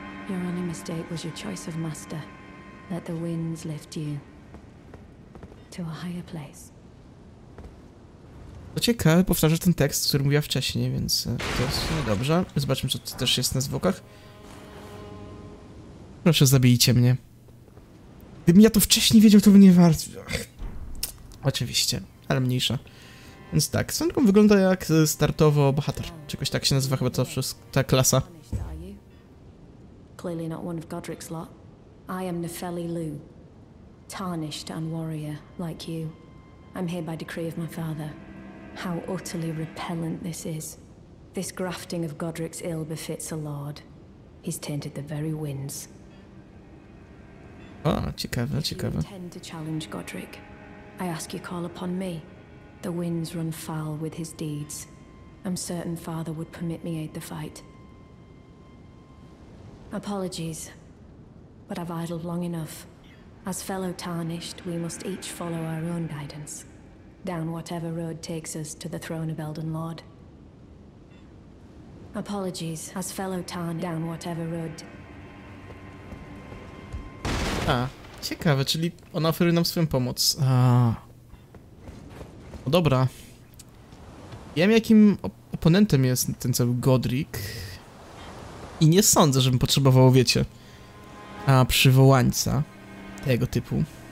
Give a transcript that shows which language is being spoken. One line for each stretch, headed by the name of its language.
English: Your only mistake was your choice of master. Let the winds lift you to a higher place.
Polish: To ciekawe, powtarza ten tekst, który mówiła wcześniej, więc to jest dobrze. Zobaczmy, co to też jest na zwłokach. Proszę, zabijcie mnie. Gdybym ja to wcześniej wiedział, to by nie warto. Oczywiście, ale mniejsza. Więc tak, Sanko wygląda jak startowo bohater. Czegoś tak się nazywa chyba to przez ta klasa.
English: Clearly not one of Godric's lot. I am Nefeli Lu. Tarnished and warrior, like you. I'm here by decree of my father. How utterly repellent this is. This grafting of Godric's ill befits a lord. He's tainted the very winds.
Polish: O, ciekawe, ciekawe.
English: You intend to challenge Godric. I ask you call upon me. The winds run foul with his deeds. I'm certain father would permit me aid the fight. Apologies, but I've idled long enough. As fellow tarnished, we must each follow our own guidance. Down whatever road takes us to the throne of Elden Lord. Apologies, as fellow tarn down whatever road.
Polish: A, ciekawe, czyli ona oferuje nam swoją pomoc. A, no dobra. Wiem, jakim oponentem jest ten cały Godric. I nie sądzę, żebym potrzebował, wiecie, przywołańca tego typu.